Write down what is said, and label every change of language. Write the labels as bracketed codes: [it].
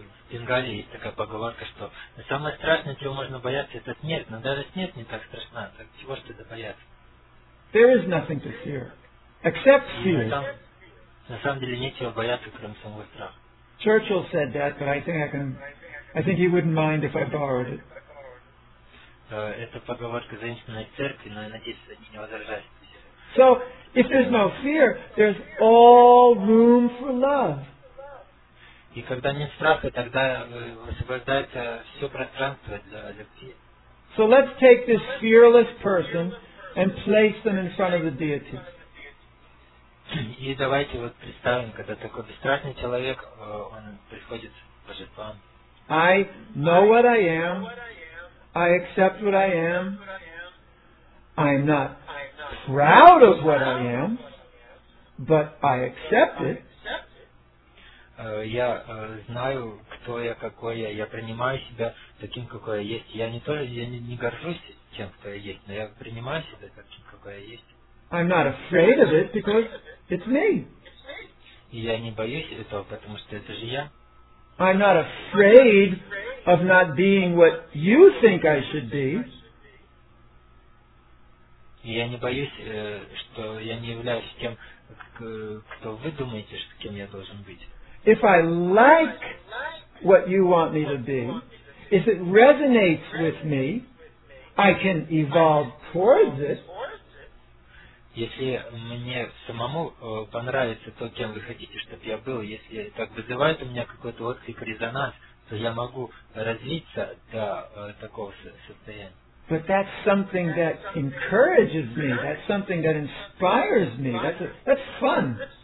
[ru] В Бенгалии есть такая поговорка, что самое страшное, чего можно бояться, это смерть. Но даже смерть не так страшна. Так чего ж тогда бояться? [en] There is nothing to fear, except fear. [ru] На самом деле нечего бояться, кроме самого страха. [en] Churchill said that, but I think he wouldn't mind if I borrowed it. [ru] Это поговорка заимствованная из церкви, но я надеюсь, они не возражают. [en] So, if there's no fear, there's all room for love. [ru] И когда нет страха, тогда освобождается все пространство для любви. [en] So let's take this fearless person and place them in front of the deity. [ru] И давайте вот представим, когда такой бесстрашный человек, он приходит к божествам. [en] I know what I am. I accept what I am. I'm not proud of what I am, but I accept it. [ru] Я знаю, кто я, какой я. Я принимаю себя таким, какой я есть. Я не горжусь тем, кто я есть, но я принимаю себя таким, какой я есть. [en] I'm not afraid of it because it's me. [ru] Я не боюсь этого, потому что это же я. [en] I'm not afraid of not being what you think I should be. [ru] Я не боюсь, что я не являюсь тем, кто вы думаете, что кем я должен быть. [en] If I like what you want me to be, if it resonates with me, I can evolve towards it. [ru] Если мне самому понравится то, кем вы хотите, чтобы я был, если так вызывает у меня какой-то отклик, резонанс, то я могу развиться до такого состояния. [en] But that's something that encourages me. That's something that inspires me. That's fun.